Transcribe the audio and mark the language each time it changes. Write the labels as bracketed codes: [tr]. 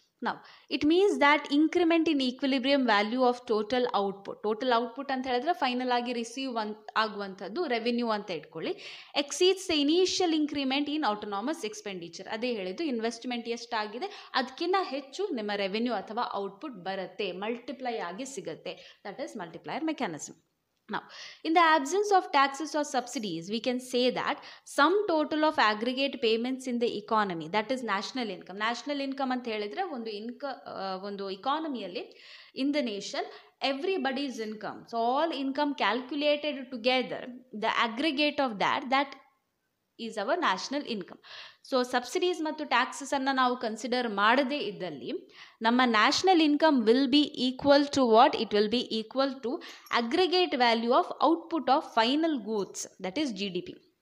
[en] Now, it means that increment in equilibrium value of total output, total output [kn] ಅಂತ ಹೇಳಿದ್ರೆ final ಆಗಿ receive ಆಗುವಂಥದ್ದು revenue ಅಂತ ಇಟ್ಕೊಳ್ಳಿ, [en] Exceeds the initial increment in autonomous expenditure. [kn] ಅದೇ ಹೇಳಿದ್ದು, ಇನ್ವೆಸ್ಟ್ಮೆಂಟ್ ಎಷ್ಟಾಗಿದೆ ಅದಕ್ಕಿಂತ ಹೆಚ್ಚು ನಿಮ್ಮ ರೆವಿನ್ಯೂ ಅಥವಾ ಔಟ್ಪುಟ್ ಬರುತ್ತೆ, ಮಲ್ಟಿಪ್ಲೈ ಆಗಿ ಸಿಗುತ್ತೆ. [en] That is multiplier mechanism. Now, in the absence of taxes or subsidies, we can say that sum total of aggregate payments in the economy, that is national income. National income [kn] ಅಂತ ಹೇಳಿದರೆ ಒಂದು ಒಂದು ಇಕಾನಮಿಯಲ್ಲಿ [en] In the nation everybody's income, so all income calculated together, the aggregate of that is our national income. So [kn] subsidies ಮತ್ತು ಟ್ಯಾಕ್ಸಸನ್ನು ನಾವು consider ಮಾಡದೇ ಇದ್ದಲ್ಲಿ ನಮ್ಮ [en] National income will be equal to what, it will be equal to aggregate value of output of final goods, that is G D P.